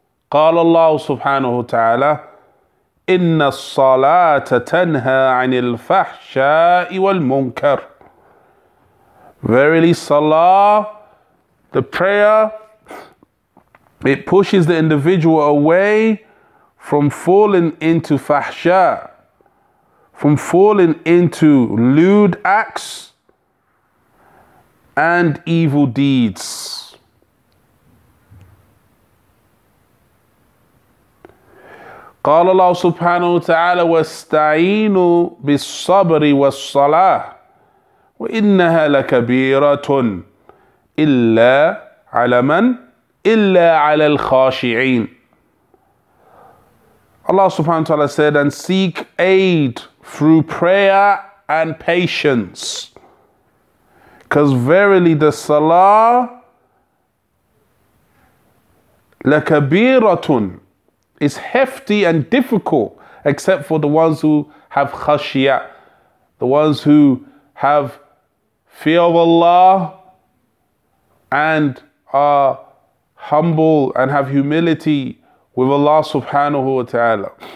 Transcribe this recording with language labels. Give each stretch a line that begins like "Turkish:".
Arabic: قال الله سبحانه وتعالى إن الصلاة تنهى عن الفحشاء والمنكر.
English: Verily, salah, the prayer, it pushes the individual away from falling into fahsha, from falling into lewd acts and evil deeds.
Arabic: قال الله سبحانه وتعالى واستعينوا بالصبر والصلاة وإنها لكبيرة إلا على من إلا على الخاشعين.
English: Allah subhanahu wa ta'ala said, and seek aid through prayer and patience. Because verily the salah, lakabiratun, is hefty and difficult, except for the ones who have khashiya, the ones who have fear of Allah and are humble and have humility with Allah subhanahu wa ta'ala.